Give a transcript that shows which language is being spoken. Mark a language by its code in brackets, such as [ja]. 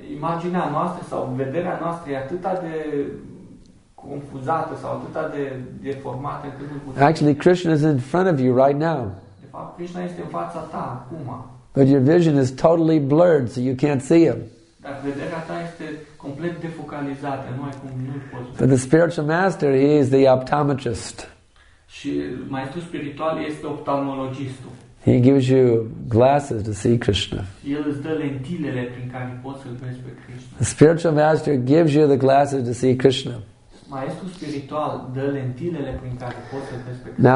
[ro] Imaginea noastră sau vederea noastră e atât de confuzată sau atât de deformată încât nu. [en] Actually, Krishna is in front of you right now. [ro] De fapt, Krishna este în fața ta acum. [en] But your vision is totally blurred, so you can't see him. [ro] Dar vederea ta este complet defocalizată, nu ai cum, nu poți. [en] But the spiritual master, he is the optometrist. [ro] Și maestrul spiritual este oftalmologistul. [en] He gives you glasses to see Krishna. [ro] El îți dă lentilele prin care poți să-l vezi pe Krishna. [en] The spiritual master gives you the glasses to see Krishna. [ro] Maestrul spiritual dă lentilele prin care poți să-l vezi pe Krishna.